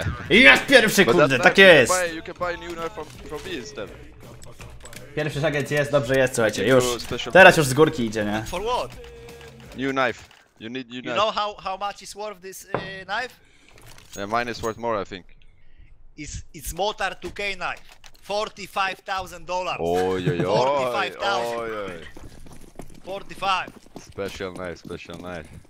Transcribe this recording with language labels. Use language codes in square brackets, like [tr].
[pl] in jest pierwszy, kurde, tak jest! [en] You can buy new knife from me instead. [pl] Pierwszy szagiec jest, dobrze jest, słuchajcie, już. Teraz już z górki idzie, nie? [en] For what? New knife. You need new you knife. You know how much is worth this knife? Yeah, mine is worth more, I think. It's Motar 2K knife. $45,000. Ojojoj. $45,000. 45. Special night, special night.